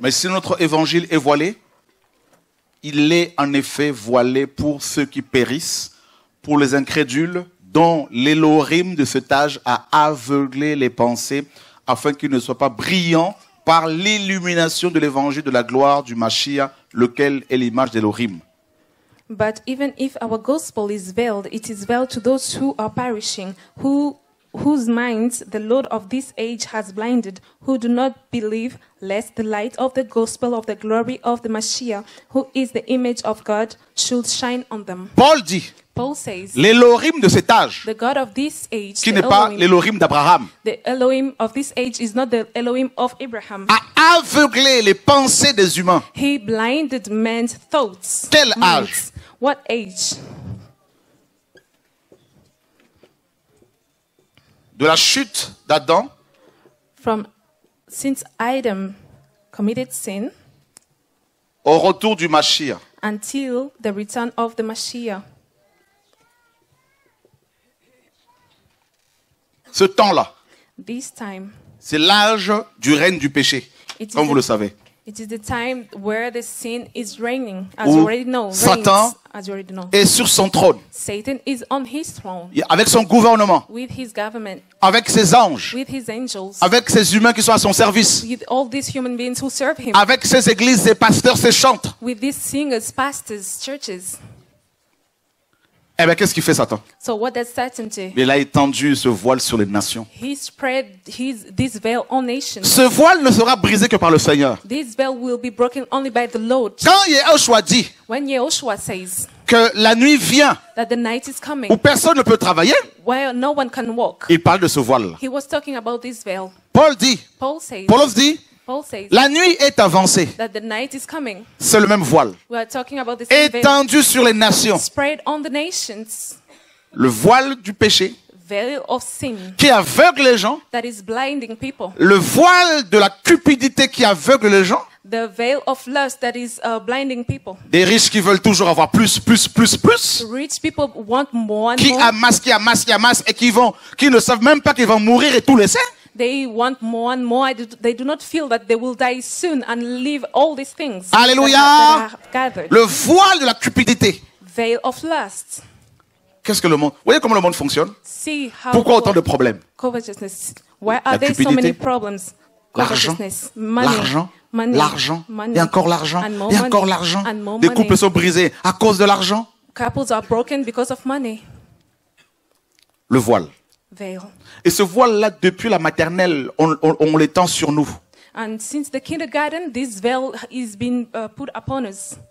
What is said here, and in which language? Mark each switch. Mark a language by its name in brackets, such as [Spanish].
[French] Mais si notre évangile est voilé, il est en effet voilé pour ceux qui périssent, pour les incrédules, dont l'Elohim de cet âge a aveuglé les pensées afin qu'ils ne soient pas brillants par l'illumination de l'évangile de la gloire du Mashiach, lequel est l'image d'Elohim. [English] But even if our gospel is veiled, it is veiled to those who are perishing, whose minds the Lord of this age has blinded, who do not believe, lest the light of the gospel of the glory of the Mashiach, who is the image of God, should shine on them. [French] Paul dit, [English] Paul says, [French] l'Elohim de cet âge, [English] the God of this age, [French] qui n'est pas l'Elohim d'Abraham, [English] the Elohim of this age is not the Elohim of Abraham, [French] a aveuglé les pensées des humains. [English] He blinded men's thoughts. [French] Quel âge? [English] What age? [French] De la chute d'Adam, [English] from since Adam committed sin, [French] au retour du Mashiach, [English] until the return of the Mashiach, [French] ce temps-là, [English] this time, [French] c'est l'âge du règne du péché, comme vous le savez. [English] It is the time where the sin is reigning, as [French] où [English] you already know. [French] Satan, [English] as you already know, [French] est sur son trône. [English] Satan is on his throne. [French] Avec son gouvernement. [English] With his government. [French] Avec ses anges. [English] With his angels. [French] Avec ses humains qui sont à son service. [English] With all these human beings who serve him. [French] Avec ses églises, ses pasteurs, ses chants. [English] With these singers, pastors, churches. [French] Eh bien, qu'est-ce qu'il fait, Satan? [English] So what does Satan do? [French] Mais il a étendu ce voile sur les nations. [English] He spread this veil on nations. [French] Ce voile ne sera brisé que par le Seigneur. [English] This veil will be broken only by the Lord. [French] Quand Yehoshua dit, [English] when Yehoshua says, [French] que la nuit vient, [English] that the night is coming, [French] où personne ne peut travailler, [English] where no one can walk, [French] il parle de ce voile. [English] He was talking about this veil. [French] Paul dit, [English] Paul says, [French] Paulos dit, [English] Paul says, [French] la nuit est avancée. [English] That the night is coming. [French] C'est le même voile. [English] We are talking about the same veil. [French] Étendu sur les nations. [English] Spread on the nations. [French] Le voile du péché. [English] Veil of sin. [French] Qui aveugle les gens. [English] That is blinding people. [French] Le voile de la cupidité qui aveugle les gens. [English] The veil of lust that is blinding people. [French] Des riches qui veulent toujours avoir plus, plus, plus, plus. [English] Rich people want more and [French] qui [English] more. [French] Qui amassent et qui ne savent même pas qu'ils vont mourir et tout laisser. [English] They want more and more. They do not feel that they will die soon and leave all these things. [French] Alléluia. Le voile de la cupidité. [English] Veil of lust. [French] Qu'est-ce que le monde? Voyez comment le monde fonctionne. [English] See how. [French] Pourquoi autant de problèmes? [English] Covetousness. Why are there so many problems? Covetousness. Money. [French] L'argent. [English] Money. [French] L'argent. [English] Money. [French] Et encore l'argent. [English] And more [French] et encore l'argent. [English] And more [French] des [English] money. [French] Couples sont brisés à cause de l'argent. [English] Couples are broken because of money. [French] Le voile. [English] Veil. [French] Et ce voile-là, depuis la maternelle, on l'étend sur nous. [English] And since the kindergarten, this veil has been put upon us.